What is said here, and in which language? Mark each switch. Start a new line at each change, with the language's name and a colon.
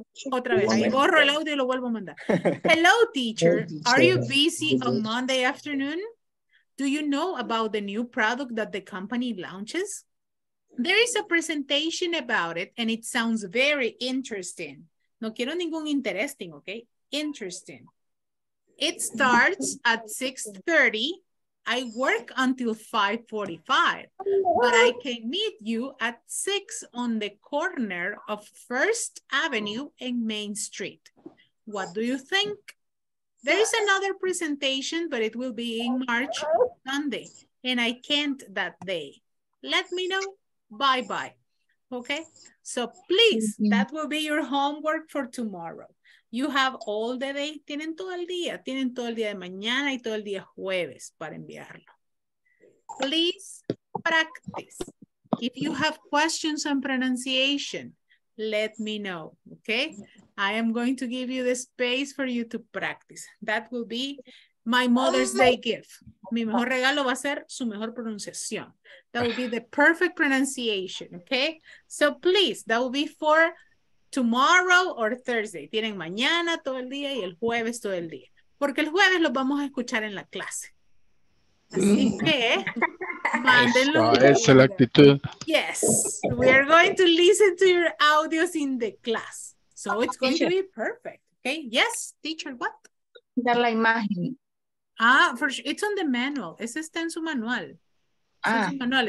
Spanish: Otra vez, ahí borro el audio y lo vuelvo a mandar.
English: Hello, teacher. Are you busy on Monday afternoon? Do you know about the new product that the company launches? There is a presentation about it and it sounds very interesting.
Spanish: No quiero ningún
English: interesting, okay? Interesting. It starts at 6:30. I work until 5:45, but I can meet you at 6 on the corner of First Avenue and Main Street. What do you think? There is another presentation, but it will be in March Sunday. and I can't that day. Let me know. Bye-bye. Okay? So please, that will be your homework for tomorrow. You have all the day.
Spanish: Tienen todo el día. Tienen todo el día de mañana y todo el día jueves para enviarlo.
English: Please practice. If you have questions on pronunciation, let me know. Okay? I am going to give you the space for you to practice. That will be my Mother's Day gift.
Spanish: Mi mejor regalo va a ser su mejor pronunciación.
English: That will be the perfect pronunciation, okay? So please, that will be for tomorrow or Thursday.
Spanish: Tienen mañana todo el día y el jueves todo el día. Porque el jueves los vamos a escuchar en la clase. Así que, mándenlo. Esa es la actitud.
English: Yes, we are going to listen to your audios in the class. So it's going to be perfect, okay? Yes, teacher, what?
Spanish: Dar la imagen. Ah,
English: for sure. It's on the manual.
Spanish: Ese está en su manual. Ah, es su manual.